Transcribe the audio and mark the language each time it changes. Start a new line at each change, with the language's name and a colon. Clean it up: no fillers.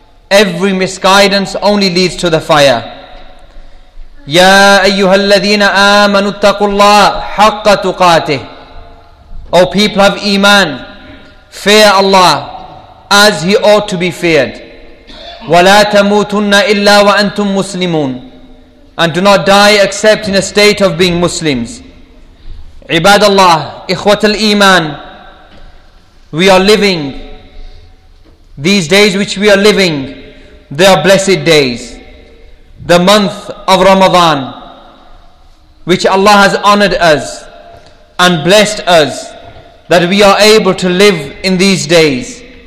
English: Every misguidance only leads to the fire.
Arabic: يا أيها الذين آمنوا اتقوا الله حق تقاته.
English: O people of Iman, fear Allah as He ought to be feared.
Arabic: ولا تموتن إلا وأنتم مسلمون.
English: And do not die except in a state of being Muslims.
Arabic: عباد الله إخوة الإيمان.
English: We are living, these days which we are living, they are blessed days. The month of Ramadan, which Allah has honored us and blessed us that we are able to live in these days.